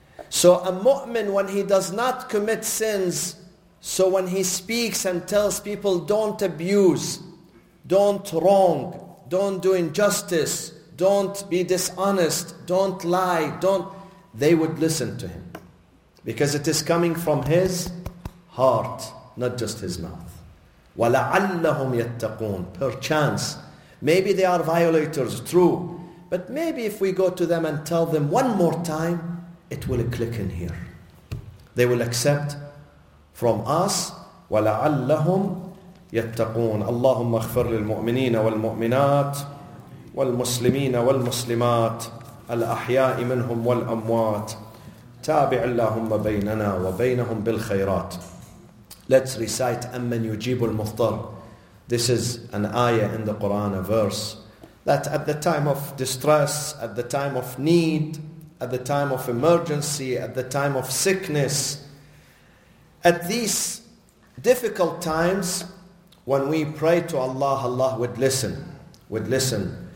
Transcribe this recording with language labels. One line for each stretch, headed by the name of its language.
English: So a mu'min, when he does not commit sins, so when he speaks and tells people don't abuse, don't wrong, don't do injustice, don't be dishonest, don't lie, don't, they would listen to him. Because it is coming from his heart, not just his mouth.
Arabic: وَلَعَلَّهُمْ يَتَّقُونَ
English: Perchance. Maybe they are violators, true. But maybe if we go to them and tell them one more time, it will click in here. They will accept from us.
Arabic: وَلَعَلَّهُمْ يَتَّقُونَ اللهم اغفر للمؤمنين والمؤمنات والمسلمين والمسلمات الأحياء منهم والأموات تابع اللهم بيننا وبينهم بالخيرات.
English: Let's recite
Arabic: أَمَّنْ يُجِيبُ الْمُضْطَرِ.
English: This is an ayah in the Quran, a verse, that at the time of distress, at the time of need, at the time of emergency, at the time of sickness, at these difficult times, when we pray to Allah, Allah would listen, would listen.